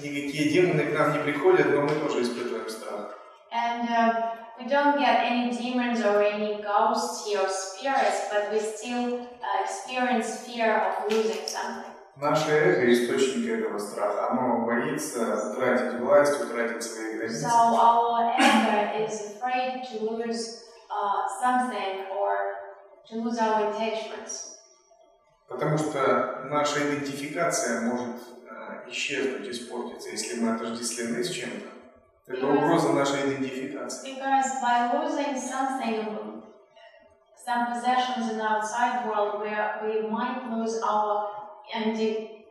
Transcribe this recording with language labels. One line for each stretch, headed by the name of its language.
Russian: Никакие демоны к нам не приходят, но мы тоже испытываем страх.
English: And we don't get any demons or any ghosts here or spirits, but we still experience fear of losing something.
Russian: Наше эго – источник этого страха. Оно боится утратить власть, утратить свои границы.
English: So our ego is afraid to lose something or to lose our attachments.
Russian: Потому что наша идентификация может исчезнуть, испортиться, если мы отождествлены с чем-то. Это угроза нашей идентификации.
English: Because by losing something, some possessions in the outside world, we might lose our identity.